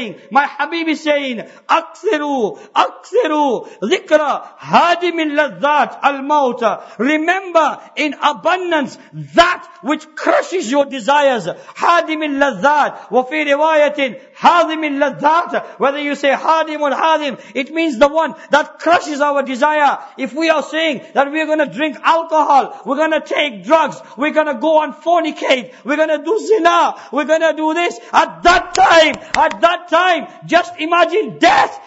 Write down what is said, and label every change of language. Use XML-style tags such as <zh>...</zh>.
<en>My Habib is saying,</en> <ar>أكثروا ذكر هادم اللذات الموت.</ar> <en>Remember in abundance that which crushes your desires.</en> <ar>هادم اللذات وفي رواية هادم اللذات.</ar> <en>Whether you say هادم or هادم, it means the one that crushes our desire. If we are saying that we are going to drink alcohol, we're going to take drugs, we're going to go and fornicate, we're going to do zina, we're going to do this, at that time, just imagine death.</en>